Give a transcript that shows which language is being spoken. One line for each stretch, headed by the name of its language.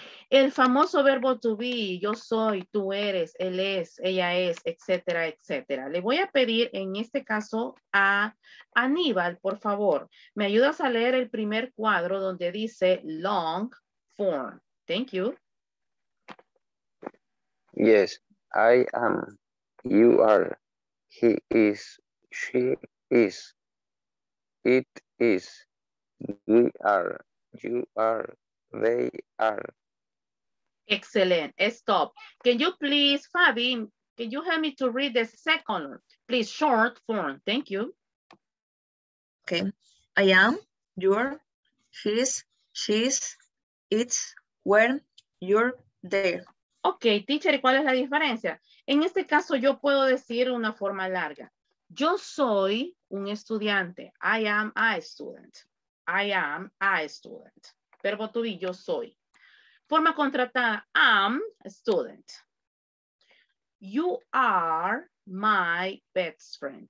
Spanish: El famoso verbo to be, yo soy, tú eres, él es, ella es, etcétera, etcétera. Le voy a pedir en este caso a Aníbal, por favor, me ayudas a leer el primer cuadro donde dice long form.
English: Thank you. Yes, I am, you are, he is, she is, it is, we are, you are, they are. Excellent. Stop. Can you please, Fabi, can you help me to read the second, please, short form? Thank you. Okay. I am, you are, his, she's, it's, where, you're, there.
Spanish: Okay, teacher, ¿cuál es la diferencia? En este caso, yo puedo decir una forma larga. Yo soy un estudiante.
English: I am a student. I am a student.
Spanish: Verbo to be, yo soy. Forma contratada,
English: am a student. You are my best friend.